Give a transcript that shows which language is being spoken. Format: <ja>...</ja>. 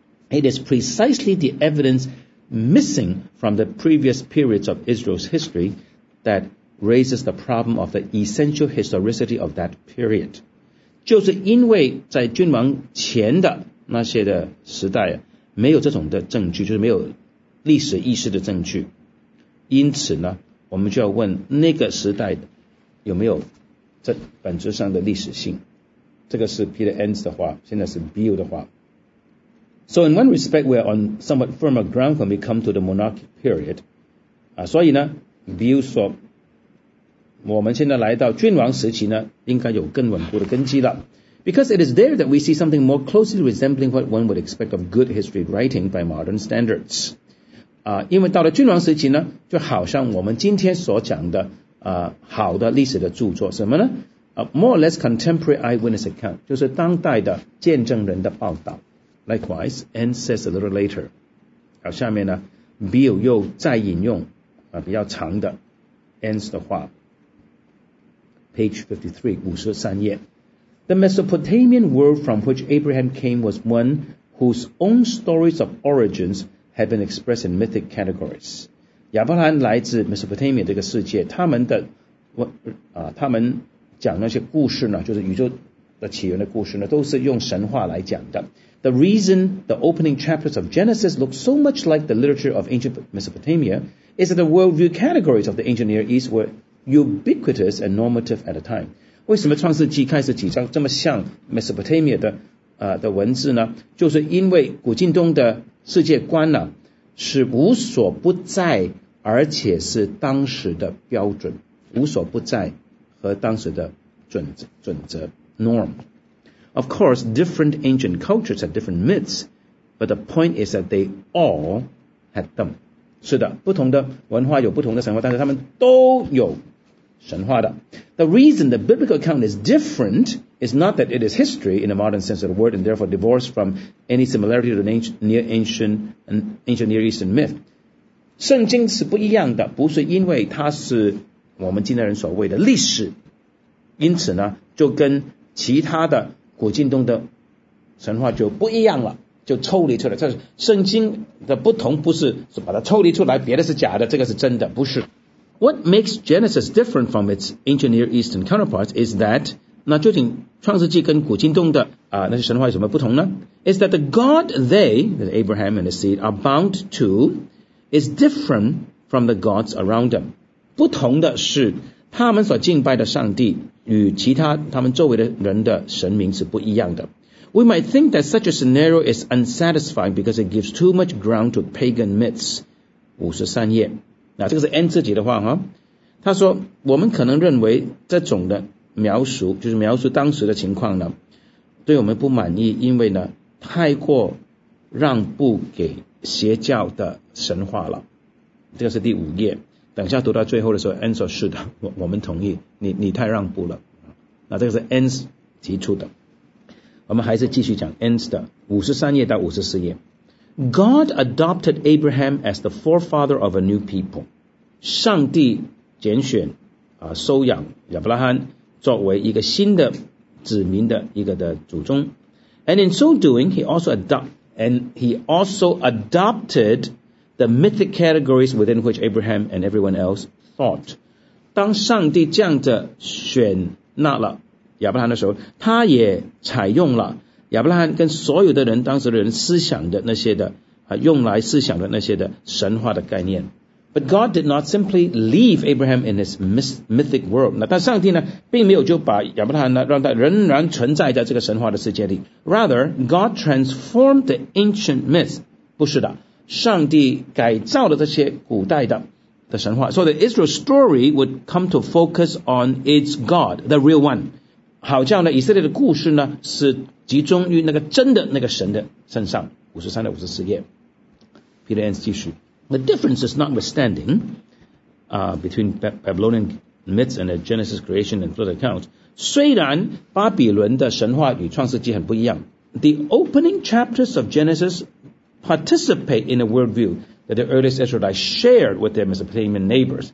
<en>It is precisely the evidence missing from the previous periods of Israel's history that raises the problem of the essential historicity of that period.</en> <zh>就是因为在君王前的那些的时代没有这种的证据，就是没有历史意识的证据，因此呢，我们就要问那个时代有没有这本质上的历史性。这个是 Peter Enns 的话，现在是 Bill 的话。</zh> <en>So in one respect, we are on somewhat firmer ground when we come to the monarchic period.</en> <zh>所以呢 ，Bill 说，我们现在来到君王时期呢，应该有更稳固的根基了。</zh> <en>Because it is there that we see something more closely resembling what one would expect of good history writing by modern standards.</en> <zh>因为到了君王时期呢，就好像我们今天所讲的好的历史的著作什么呢？</zh> <en>More or less contemporary eyewitness account，</en> <zh>就是当代的见证人的报道。</zh> <en>Likewise, and says a little later，</en> <zh>好，下面呢 ，Bill 又再引用比较长的 ends 的话 ，page 53 页</zh> <en>，The Mesopotamian world from which Abraham came was one whose own stories of origins。 Have been expressed in mythic categories.</en> <zh>亚伯兰来自 Mesopotamia 这个世界，他们的他们讲那些故事呢，就是宇宙的起源的故事呢，都是用神话来讲的。</zh> <en>The reason the opening chapters of Genesis look so much like the literature of ancient Mesopotamia is that the worldview categories of the ancient Near East were ubiquitous and normative at the time.</en> <zh>为什么创世纪开始几章这么像 Mesopotamia 的文字呢？就是因为古近东的世界观呢是无所不在，而且是当时的标准，无所不在和当时的准则 norm.</zh> <en>Of course, different ancient cultures have different myths, but the point is that they all had them.</en> <zh>是的，不同的文化有不同的神话，但是他们都有神话的。</zh> <en>The reason the biblical account is different is not that it is history in a modern sense of the word and therefore divorced from any similarity to an ancient Near Eastern myth.</en> <zh>圣经是不一样的，不是因为它是我们今天人所谓的历史，因此呢，就跟其他的古近东的神话就不一样了，就抽离出来。这是圣经的不同，不是把它抽离出来，别的是假的，这个是真的，不是。</zh> <en>What makes Genesis different from its ancient Near Eastern counterparts is that</en> <zh>那究竟创世纪跟古今东的那些神话有什么不同呢？</zh> <en>Is that the God they, Abraham and his seed, are bound to is different from the gods around them.</en> <zh>不同的是他们所敬拜的上帝与其他们周围的人的神明是不一样的。</zh> <en>We might think that such a scenario is unsatisfying because it gives too much ground to pagan myths.</en> <zh>53页这个是 N 自己的话哈，他说我们可能认为这种的描述就是描述当时的情况呢对我们不满意，因为呢太过让步给邪教的神话了。这个是第五页，等一下读到最后的时候 N 说是的， 我们同意 你太让步了。那这个是 N 提出的，我们还是继续讲 N 的53页到54页。</zh> <en>God adopted Abraham as the forefather of a new people.</en> <zh>上帝拣选收养亚伯拉罕作为一个新的子民的一个的祖宗。</zh> <en>And in so doing, he also adopted the mythic categories within which Abraham and everyone else thought.</en> <zh>当上帝这样的选纳了亚伯拉罕的时候，他也采用了亚伯拉罕跟所有的人当时的人思想的那些的用来思想的那些的神话的概念。</zh> <en>But God did not simply leave Abraham in his mythic world.</en> <zh>那但上帝呢，并没有就把亚伯拉罕呢，让他仍然存在在这个神话的世界里。</zh> <en>Rather, God transformed the ancient myths.</en> <zh>不是的，上帝改造了这些古代的的神话。</zh> <en>So the Israel story would come to focus on its God, the real one.</en> <zh>好像呢，以色列的故事呢，是集中于那个真的那个神的身上。 53到54页。Peter ends 继续。</zh> <en>The difference is notwithstanding between Babylonian myths and the Genesis creation and flood accounts.</en> <zh>虽然巴比伦的神话与创世纪很不一样</zh> <en>the opening chapters of Genesis participate in a worldview that the earliest Israelites shared with their Mesopotamian neighbors.</en>